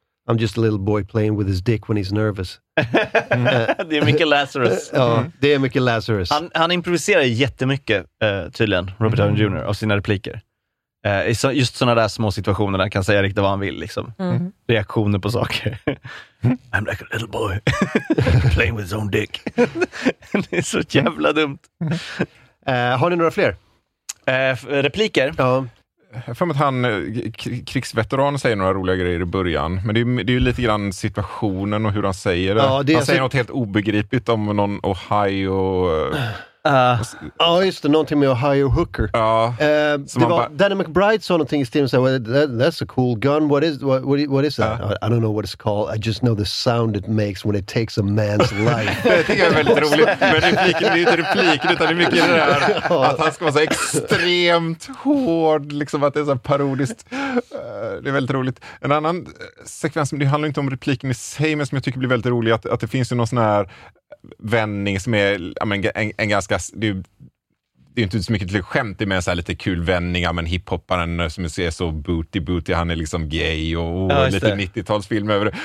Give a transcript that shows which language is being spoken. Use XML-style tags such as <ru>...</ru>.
<en>I'm just a little boy playing with his dick when he's nervous.</en> <sv>Det är mycket Lazarus. Ja, det är mycket Lazarus. Han improviserar jättemycket, tydligen, Robert Downey Jr. av sina repliker. Just såna där små situationer där kan säga riktigt vad han vill liksom. Reaktioner på saker.</sv> <en>I'm like a little boy playing with his own dick.</en> <sv>Det är så jävla dumt. Har ni några fler repliker? Ja. För att han krigsveteran säger några roliga grejer i början, men det är ju lite grann situationen och hur han säger det. Han säger något helt obegripligt om någon Ohio. Just det, någonting med Ohio Hooker. Danny McBride sa någonting i stil och sa,</sv> <en>that's a cool gun, what is that? I don't know what it's called, I just know the sound it makes when it takes a man's life.</en> <sv>Det är väldigt roligt, men repliken, det är inte repliken utan det är mycket det där att han ska vara så extremt hård, liksom att det är så parodiskt. Det är väldigt roligt. En annan sekvens, det handlar inte om repliken i sig, men som jag tycker blir väldigt rolig, att det finns ju någon sån här vändning som är en ganska, det är inte så mycket skämt, med en så här lite kul vändning, men hiphopparen som är så booty, han är liksom gay och lite 90-talsfilm över det.</sv>